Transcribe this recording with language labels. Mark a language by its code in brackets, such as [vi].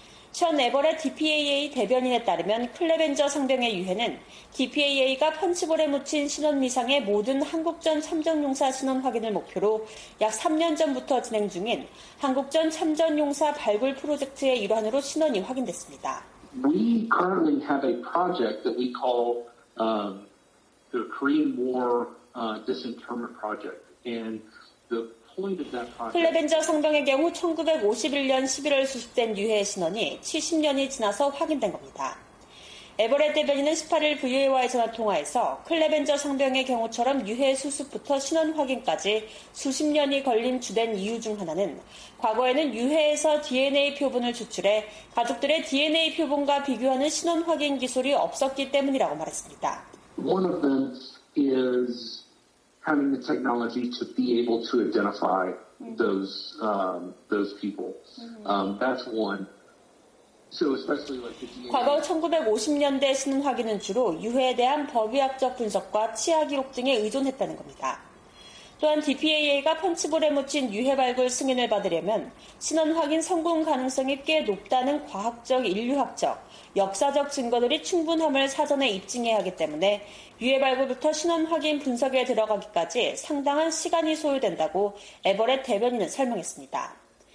[ko] 션 에버레 DPAA 대변인에 따르면 클레벤저 상병의 유해는 DPAA가 펀치볼에 묻힌 신원 미상의 모든 한국전 참전용사 신원 확인을 목표로 약 3년 전부터 진행 중인 한국전 참전용사 발굴 프로젝트의 일환으로 신원이 확인됐습니다. [en] We currently have a project that we call the Korean War Disinterment Project. And the point of that project. [ko] 클레벤저 상병의 경우 1951년 11월 수습된 유해 신원이 70년이 지나서 확인된 겁니다. 에버렛 대변인은 18일 VOA와의 전화 통화에서 클레벤저 상병의 경우처럼 유해 수습부터 신원 확인까지 수십 년이 걸린 주된 이유 중 하나는 과거에는 유해에서 DNA 표본을 추출해 가족들의 DNA 표본과 비교하는 신원 확인 기술이 없었기 때문이라고 말했습니다. [en] One of them is having the technology to be able to identify those people. That's one. [ko] 과거 1950년대 신원 확인은 주로 유해에 대한 법의학적 분석과 치아 기록 등에 의존했다는 겁니다. 또한 DPAA가 펀치볼에 묻힌 유해 발굴 승인을 받으려면 신원 확인 성공 가능성이 꽤 높다는 과학적, 인류학적, 역사적 증거들이 충분함을 사전에 입증해야 하기 때문에 유해 발굴부터 신원 확인 분석에 들어가기까지 상당한 시간이 소요된다고 에버렛 대변인은 설명했습니다.